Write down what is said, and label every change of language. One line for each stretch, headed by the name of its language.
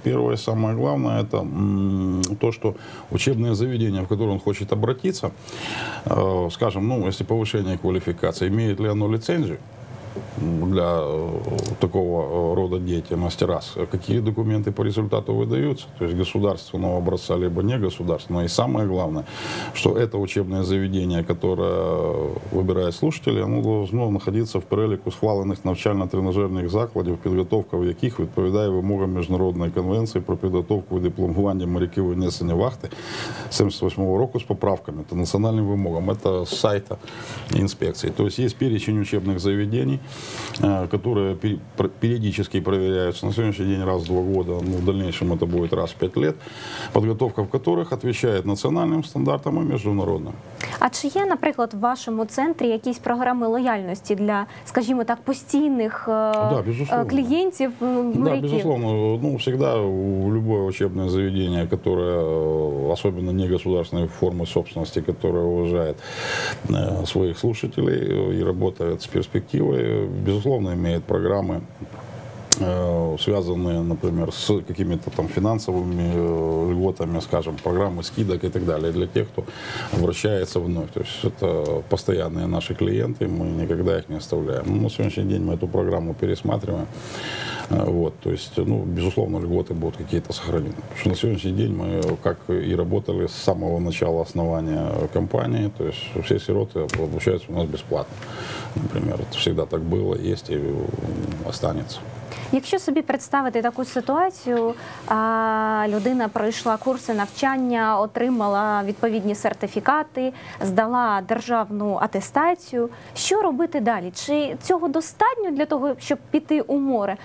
Russian: Первое, самое главное, это то, что учебное заведение, в которое он хочет обратиться, скажем, ну, если повышение квалификации, имеет ли оно лицензию для такого рода деятельности, раз. Какие документы по результату выдаются, то есть государственного образца, либо не государственного. И самое главное, что это учебное заведение, которое выбирает слушатели, оно должно находиться
Ukrainian: в переліку схвалених навчально-тренажерних закладів, підготовка в яких відповідає вимогам Міжнародної конвенції про підготовку і дипломування моряків і несення вахти 78-го року з поправками та національним вимогам.
Russian: Это с сайта
Ukrainian: інспекції.
Russian: То есть
Ukrainian: є перечень учебних заведений,
Russian: которые периодически проверяются на сегодняшний день раз в два года, но в дальнейшем это будет раз в пять лет, подготовка в которых отвечает национальным стандартам и международным.
Ukrainian: А чи є, наприклад, в вашому центрі якісь програми лояльності для, скажімо так, постійних клієнтів моряків?
Russian: Да, безусловно. Ну, всегда в любое учебное заведение, которое, особенно не государственной формы собственности, которое уважает своих слушателей и работает с перспективой, безусловно, имеет программы, связанные, например, с какими-то там финансовыми льготами, скажем, программы скидок и так далее, для тех, кто обращается вновь. То есть это постоянные наши клиенты, мы никогда их не оставляем. Но на сегодняшний день мы эту программу пересматриваем. Вот, то есть, ну, безусловно, льготы будут какие-то сохранены. Потому что на сегодняшний день мы, как и работали с самого начала основания компании, то есть все сироты обучаются у нас бесплатно, например. Это всегда так было, есть и останется.
Ukrainian: Якщо собі представити таку ситуацію, людина пройшла курси навчання, отримала відповідні сертифікати, здала державну атестацію, що робити далі? Чи цього достатньо для того, щоб піти у море?